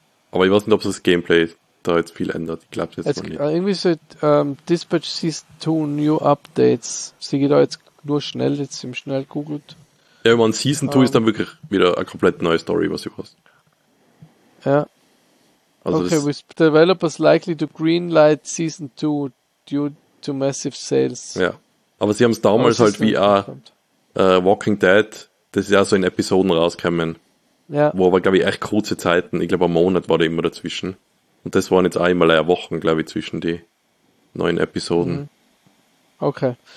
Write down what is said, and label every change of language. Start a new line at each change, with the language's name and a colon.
German: Aber ich weiß nicht, ob das Gameplay da jetzt viel ändert. Ich glaube jetzt wohl nicht. Irgendwie so, Dispatch Season 2 New Updates. Sehe ich da jetzt nur schnell, jetzt im schnell googelt. Ja, wenn man Season 2 ist dann wirklich wieder eine komplett neue Story, was ich weiß. Ja.
English: Also okay, with developers likely to greenlight Season 2 due to massive sales.
German: Ja. Aber sie haben es damals halt wie auch Walking Dead, das ist ja so in Episoden rausgekommen. Ja. Wo aber, glaube ich, echt kurze Zeiten, ich glaube, ein Monat war da immer dazwischen. Und das waren jetzt einmal eine Woche, glaube ich, zwischen die neuen Episoden. Mhm. Okay.